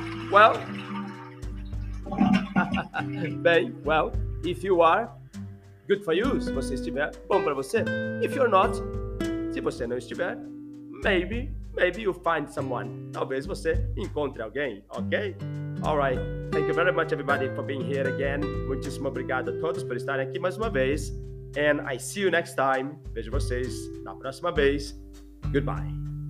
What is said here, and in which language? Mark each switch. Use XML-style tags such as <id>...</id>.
<en>Well,</en> <pt>bem,</pt> <en>well, if you are, good for you,</en> <pt>se você estiver, bom para você.</pt> <en>If you're not,</en> <pt>se você não estiver,</pt> <en>maybe you'll find someone.</en> <pt>Talvez você encontre alguém, ok?</pt> <en>Alright. Thank you very much, everybody, for being here again.</en> <pt>Muitíssimo obrigado a todos por estarem aqui mais uma vez.</pt> <en>And I see you next time.</en> <pt>Vejo vocês na próxima vez.</pt> <en>Goodbye.</en>